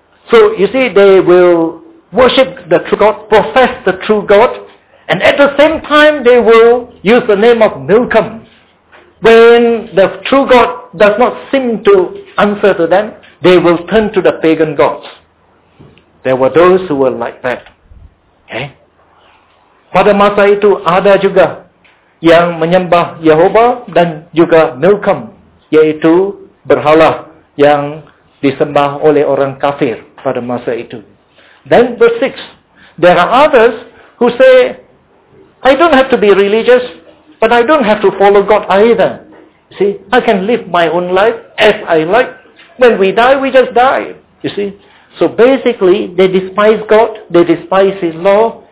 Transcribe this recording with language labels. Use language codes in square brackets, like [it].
[en] So you see, they will worship the true God, profess the true God, and at the same time they will use the name of Milcom. When the true God does not seem to answer to them, they will turn to the pagan gods. There were those who were like that. Okay? [ms] Pada masa itu ada juga yang menyembah Yehovah dan juga Milcom, yaitu berhala yang disembah oleh orang kafir pada masa itu. [en] Then verse 6, there are others who say, I don't have to be religious, but I don't have to follow God either. See, I can live my own life as I like. When we die, we just die. You see? So basically, they despise God. They despise His law.